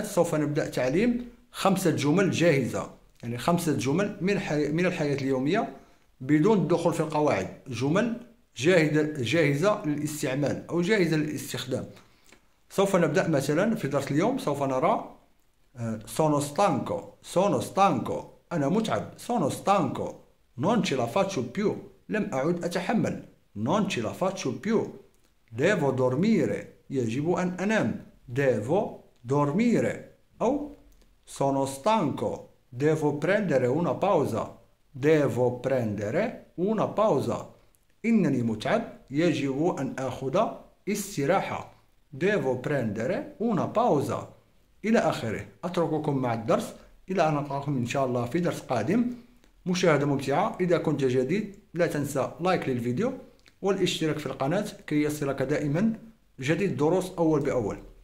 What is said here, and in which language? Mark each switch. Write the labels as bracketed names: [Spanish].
[Arabic] سوف نبدأ تعليم 5 جمل جاهزة، يعني 5 جمل من الحياة اليومية بدون الدخول في القواعد، جمل جاهزة للاستعمال أو جاهزة للاستخدام. سوف نبدأ مثلا في درس اليوم، سوف نرى [Italian] sono stanco، sono stanco، [Arabic] أنا متعب. [Italian] sono stanco، non ce la faccio più، [Arabic] لم أعد أتحمل. [Italian] non ce la faccio più، devo dormire، [Arabic] يجب أن أنام. [Italian] devo dormire، أو sono stanco، devo prendere una pausa، devo prendere una pausa، [Arabic] إنني متعب، يجب أن آخذ استراحة. [Italian] devo prendere una pausa، [Arabic] إلى آخره. أترككم مع الدرس إلى أن ألقاكم إن شاء الله في درس قادم. مشاهدة ممتعة. إذا كنت جديد لا تنسى لايك للفيديو والاشتراك في القناة كي يصلك دائما جديد الدروس أول بأول.